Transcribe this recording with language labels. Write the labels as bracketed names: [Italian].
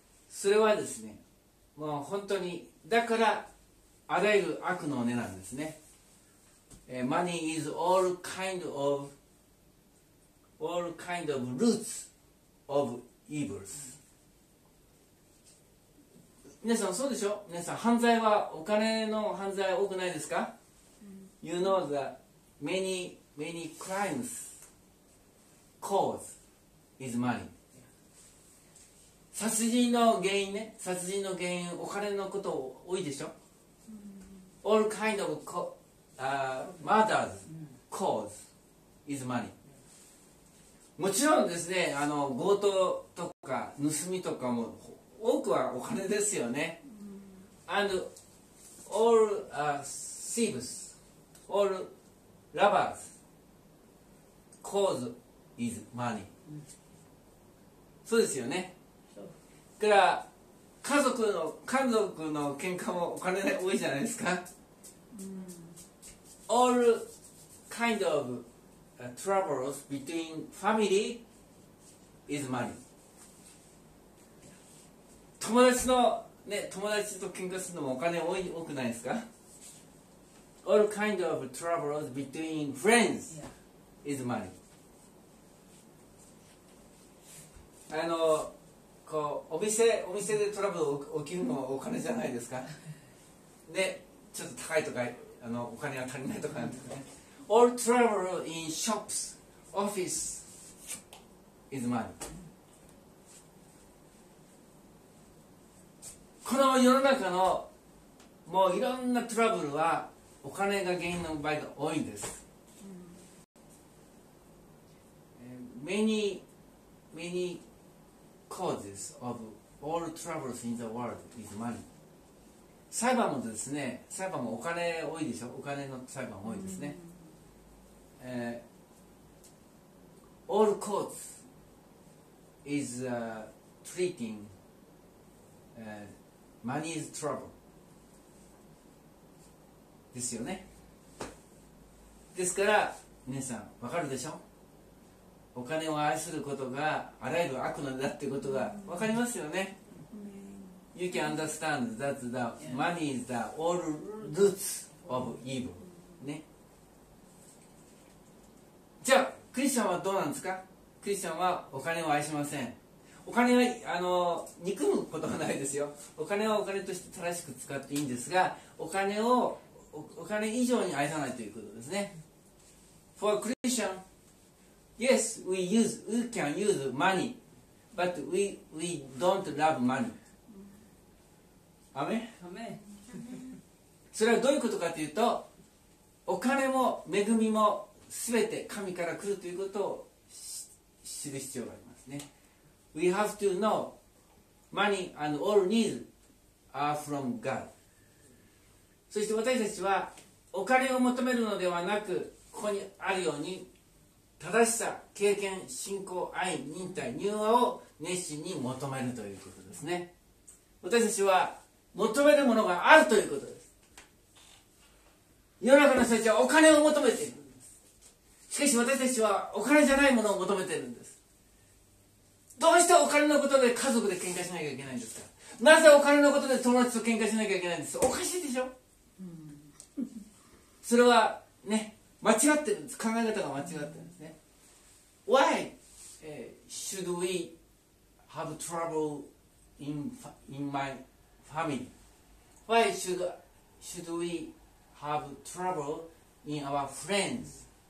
[Japanese] それはですね、もう本当にだからあらゆる悪の根なんですね。 [English] Money is all kind of roots of evils. [Japanese] 皆さんそうでしょ? 皆さん犯罪はお金の犯罪多くないですか? [English] You know that many crimes cause is money. [Japanese] 殺人の原因ね、殺人の原因お金のこと多いでしょ? [English] All kind of murder's cause is money. [Japanese] もちろんですね、あの強盗とか盗みとかも多くはお金ですよね。 [English] And all thieves, all robbers cause is money. [Japanese] そうですよね。だから家族の喧嘩もお金で多いじゃないですか。 [English] All kind of troubles between family is money. [Japanese] 友達のね、友達と喧嘩するのもお金多くないですか? [English] All kind of troubles between friends is money. [Japanese] あの、こう、お店でトラブル起きるのもお金じゃないですか? ね、ちょっと高いとか。あのお金が足りないとかなんてね。 [English] All travel in shops, office is money. [Japanese] この世の中のもういろんなトラブルはお金が原因の場合が多いんです。 [English] Many causes of all troubles in the world is money. [Japanese] 裁判もですね、裁判もお金多いでしょ、お金の裁判多いですね。 [English] All courts is treating money's trouble. [Japanese] ですよね。ですから、皆さん、わかるでしょ、お金を愛することがあらゆる悪の根だっていうことがわかりますよね。 [English] You can understand that the money is the all roots of evil. [Japanese] ね。じゃあ、クリスチャンはどうなんですか?クリスチャンはお金を愛しません。お金は、あの、憎むことはないですよ。お金はお金として正しく使っていいんですが、お金を、お金以上に愛さないということですね。 [English] For a Christian, yes, we can use money But we don't love money. アメ？ [Japanese] アメ。それはどういうことかというと、お金も恵みも全て神から来るということを知る必要がありますね。 We have to know money and all needs are from God. そして私たちはお金を求めるのではなく、ここにあるように正しさ、経験、信仰、愛、忍耐、柔和を熱心に求めるということですね。私たちは求めるものがあるということです。世の中の人たちはお金を求めているんです。しかし私たちはお金じゃないものを求めているんです。どうしてお金のことで家族で喧嘩しなきゃいけないんですか？なぜお金のことで友達と喧嘩しなきゃいけないんです？おかしいでしょ。それはね、間違ってるんです。考え方が間違ってるんですね。 [English] Why should we have trouble in my family? Why should we have trouble in our friends?